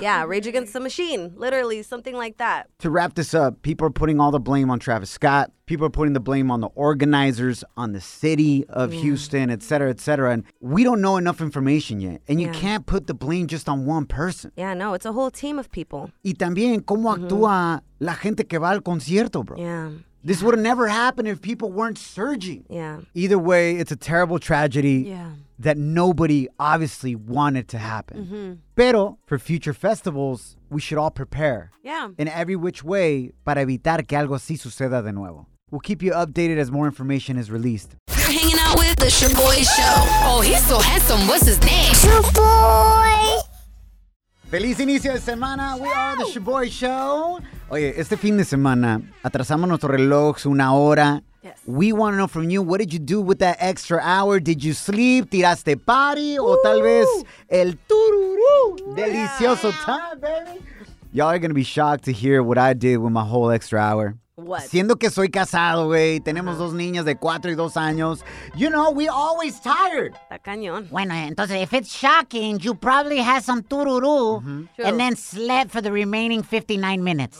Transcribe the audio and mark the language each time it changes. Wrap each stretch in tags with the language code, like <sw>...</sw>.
<en>Yeah, Rage Against the Machine. Literally, something like that. To wrap this up, people are putting all the blame on Travis Scott. People are putting the blame on the organizers, on the city of Houston, et cetera, et cetera. And we don't know enough information yet. And you can't put the blame just on one person. Yeah, no, it's a whole team of people.</en> <es>Y también, ¿cómo actúa la gente que va al concierto, bro?</es> <en>Yeah. This would have never happened if people weren't surging. Yeah. Either way, it's a terrible tragedy that nobody obviously wanted to happen. Mm-hmm. Pero for future festivals, we should all prepare. Yeah. In every which way,</en> <es>para evitar que algo así suceda de nuevo.</es> <en>We'll keep you updated as more information is released. You're hanging out with the Shaboy Show. Oh, he's so handsome. What's his name? Shaboy.</en> <es>Feliz inicio de semana.</es> <en>We are the Shaboy Show.</en> <es>Oye, este fin de semana, atrasamos nuestro reloj una hora.</es> <en>Yes. We want to know from you, what did you do with that extra hour? Did you sleep?</en> <es>Tiraste party? Ooh. O tal vez el tururu.</es> <en>Delicioso time, baby. Y'all are going to be shocked to hear what I did with my whole extra hour. What?</en> <es>Siendo que soy casado, güey, tenemos dos niñas de 4 y 2 años.</es> <en>You know, we always tired.</en> <es>Está cañón. Bueno, entonces,</es> <en>if it's shocking, you probably had some tururu and then slept for the remaining 59 minutes.</en>